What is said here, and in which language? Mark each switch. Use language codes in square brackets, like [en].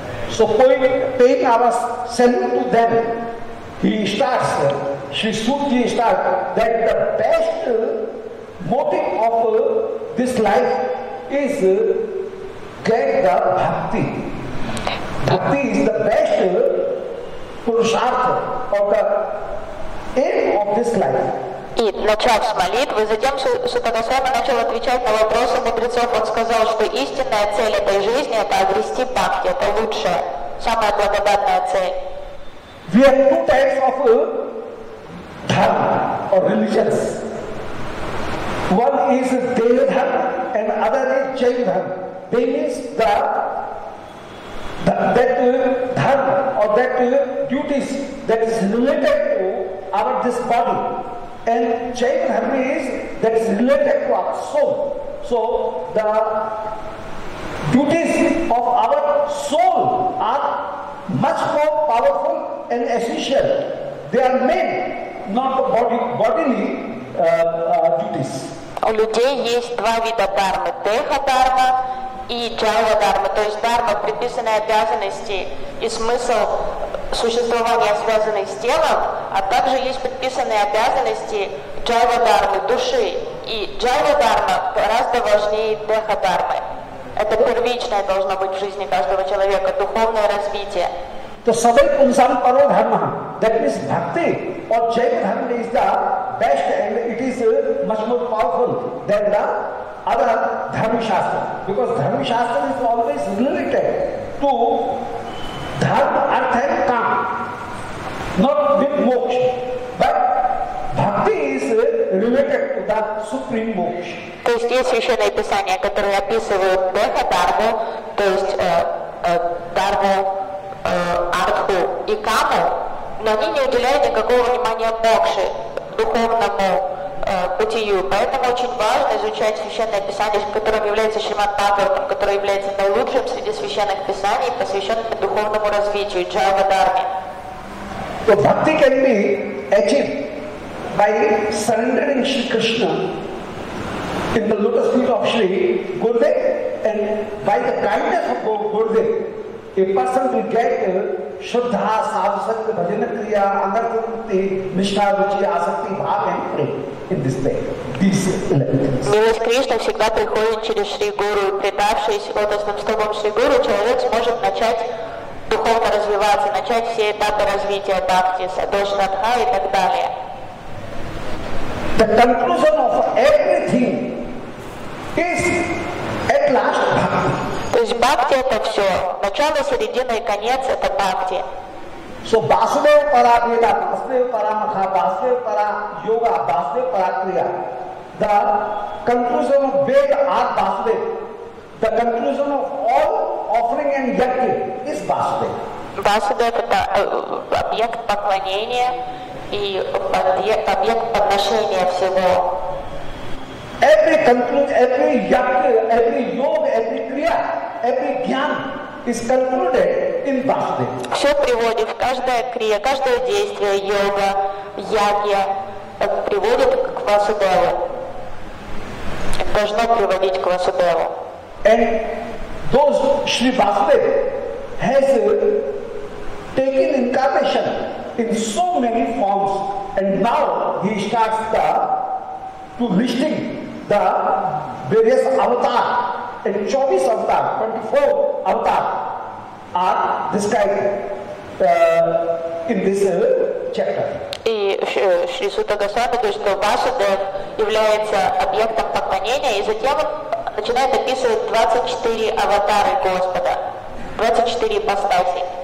[en] So paying our salute to them, he starts, Shri Sutji starts, that the best motive of this life is get the bhakti. Bhakti is the best purushartha or the aim of this life. [ru] И начав с молитвы, затем Сута Госвами начал отвечать на вопросы мудрецов. Он сказал, что истинная цель этой жизни – это обрести бхакти, это лучшая, самая благодатная цель. [en] We have two types of dharma or religions. One is Deva dharma and other is Jain dharma. They means dharma or that duties that is related to our this body. And Jain dharma is that is related to our soul. So the duties of our soul are much more powerful and essential. They are made not the bodily duties. [ru] У людей есть два вида дхармы: деха дхарма и джава дхарма. То есть дхарма предписанные обязанности и смысл существования связанный с телом, а также есть предписанные обязанности джава дхармы души. И джава дхарма гораздо важнее деха дхармы. Это первичное должно быть в жизни каждого человека, духовное развитие. [en] The [sa] sabai punsam paro dharma, [en] that means bhakti or jaina dharma is the best and it is much more powerful than the other dharma shastra. Because dharma shastra is always related to dharma, artha and kama, not with moksha. But bhakti is related to the supreme moksha. [ru] То есть есть священные писания, которые описывают деха дхарму, то есть дхарму, артху и каму, но они не уделяют никакого внимания мокше, духовному бытию. Поэтому очень важно изучать священное писание, которым является Шримад Бхагаватам, которое является наилучшим среди священных писаний, посвященных духовному развитию, джава дхарме. [en] So, bhakti can be achieved by surrendering Shri Krishna in the lotus feet of Shri Gurudev, and by the kindness of Gurudev, a person will get Shuddha, Sadhusat, Bhajanakriya, Anartamukti, Nishtha, Ruchi, Asakti, Bhav and Prem in this way. [ru] Милость Кришны всегда приходит через Шри Гуру, и предавшись лотосным стопам Шри Гуру, человек сможет начать духовно развиваться, начать все этапы развития бхакти, садхана и так далее. [en] The conclusion of everything is at last bhakti. [ru] То есть бхакти это все. Начало, середина и конец это бхакти. [sa] So vasudeva para bheda, vasudeva para makha, vasudeva para yoga, vasudeva para kriya. [en] The conclusion of veda are vasudeva. The conclusion of all offering and yakti is vasudeva. [ru] Vasudeva это объект поклонения. И объект подношения всего. [en] Every conclude, every yakti, every yoga, every kriya, every jnana is concluded in Vasudeva. [ru] Все приводит, каждая крия, каждое действие, йога, ягья, приводит к Васудеву. Должно приводить к Васудеву. [en] And those Shri Vasudeva has taken incarnation in so many forms, and now he starts to listing the various avatar, and 24 avatar, 24 avatar are described in this chapter. [ru] И Шри Сута Госвами говорит, что Васудев является объектом поклонения, и затем начинает описывать 24 аватары Господа, 24 ипостаси.